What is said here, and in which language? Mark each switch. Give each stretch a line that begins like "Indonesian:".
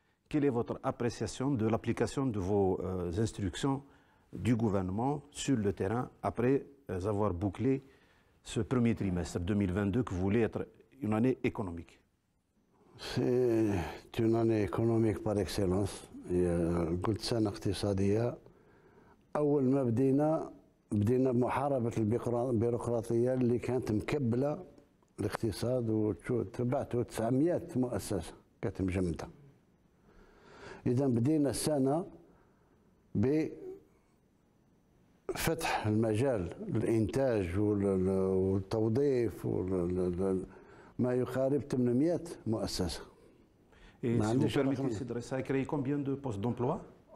French: Quelle est votre appréciation de l'application de vos instructions du gouvernement sur le terrain après avoir bouclé ce premier trimestre 2022 que vous voulez être une année économique? C'est une année économique par excellence.
Arabic: قلت سنة اقتصادية. أول ما بدينا بمحاربة البيروقراطية اللي كانت مكبلة الاقتصاد، وتبعتوا 900 مؤسسة كانت مجمدة. إذا بدينا السنة بفتح المجال للإنتاج والتوظيف وما يقارب 800 مؤسسة.
French: Et si vous permettez, Cédric, ça a créé combien de postes d'emploi ?